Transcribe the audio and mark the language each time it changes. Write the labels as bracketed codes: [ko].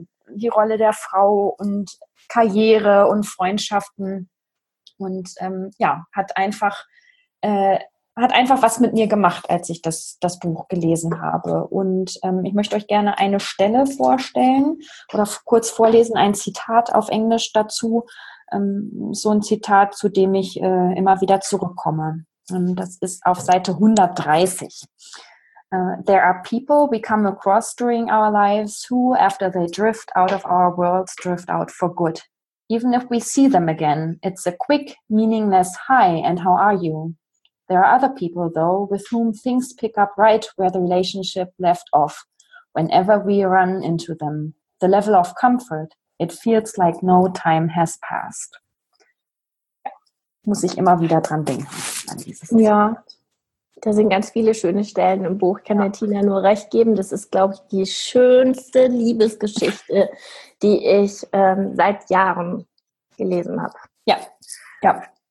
[de] die Rolle der Frau und Karriere und Freundschaften und hat einfach was mit mir gemacht, als ich das Buch gelesen habe. Und ich möchte euch gerne eine Stelle vorstellen oder kurz vorlesen, ein Zitat auf Englisch dazu. So ein Zitat, zu dem ich immer wieder zurückkomme. Das ist auf Seite 130. [en] There are people we come across during our lives who, after they drift out of our worlds, drift out for good. Even if we see them again, it's a quick, meaningless hi and how are you? There are other people, though, with whom things pick up right where the relationship left off. Whenever we run into them, the level of comfort, it feels like no time has passed. [de] Muss ich immer wieder dran denken. Ja, da sind ganz viele schöne Stellen im Buch. Kann der Tina nur recht geben. Das ist, glaube ich, die schönste Liebesgeschichte, die ich seit Jahren gelesen habe. Ja, ja.